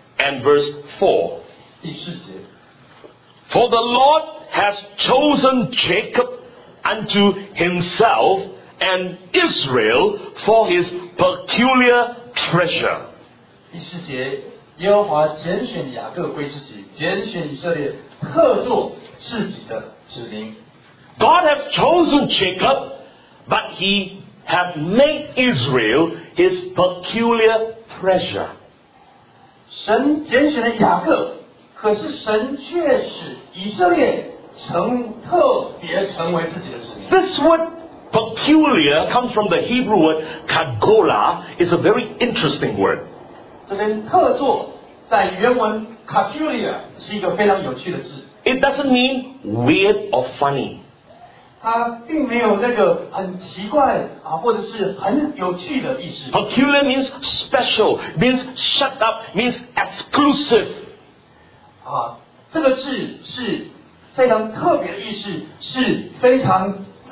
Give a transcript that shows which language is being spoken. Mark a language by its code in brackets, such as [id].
[en] And verse 4. [zh] 第四节。 [en] For the Lord has chosen Jacob unto himself. And Israel for his peculiar treasure. [zh] 第四节，耶和华拣选雅各归自己，拣选以色列特作自己的子民。 [en] God have chosen Jacob, but He have made Israel His peculiar treasure. [zh] 神拣选了雅各，可是神却使以色列特别成为自己的子民。 [en] This word. Peculiar comes from the Hebrew word kagola. It's a very interesting word. [zh] 这边特作在原文 peculiar 是一个非常有趣的字。 [en] It doesn't mean weird or funny. [zh] 它并没有那个很奇怪或者是很有趣的意思。 [en] Peculiar means special, means shut up, means exclusive. [zh] 这个字是非常特别的意思，是非常